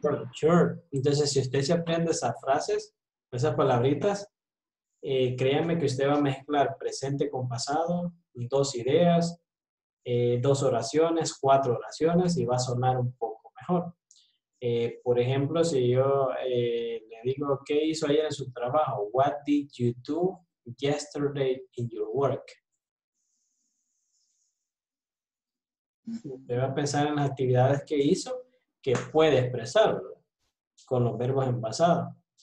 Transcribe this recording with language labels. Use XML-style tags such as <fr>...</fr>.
<en>Yeah, sure.</en> <es>Entonces, si usted se aprende esas frases, esas palabritas, créanme que usted va a mezclar presente con pasado, dos ideas, dos oraciones, cuatro oraciones, y va a sonar un poco mejor. Por ejemplo, si yo le digo, ¿qué hizo ayer en su trabajo?</es> <en>What did you do yesterday in your work?</en> <es>Debe pensar en las actividades que hizo, que puede expresarlo con los verbos en pasado.</es>